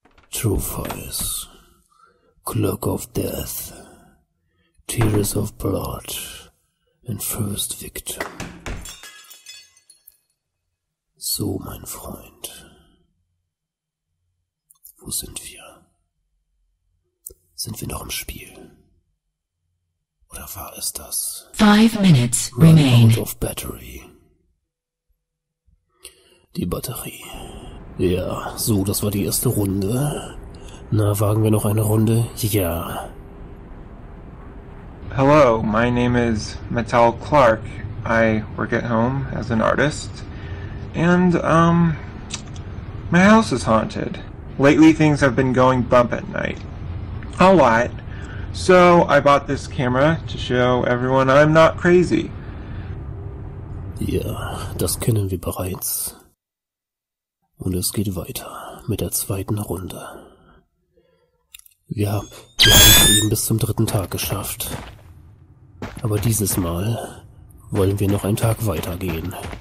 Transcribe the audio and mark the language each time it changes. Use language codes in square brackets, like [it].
[en] True Voice, Clock of Death, Tears of Blood, and First Victim. [de] So, mein Freund, wo sind wir? Sind wir noch im Spiel? Oder war es das? [en] 5 minutes remain. Out of battery. [de] Die Batterie. Ja, so, das war die erste Runde. Na, wagen wir noch eine Runde? Ja. [en] Hello, my name is Metal Clark. I work at home as an artist. And, my house is haunted. Lately, things have been going bump at night. A lot. So, I bought this camera to show everyone I'm not crazy. [de] Ja, das kennen wir bereits. Und es geht weiter mit der zweiten Runde. Ja, wir haben es eben bis zum dritten Tag geschafft. Aber dieses Mal wollen wir noch einen Tag weitergehen.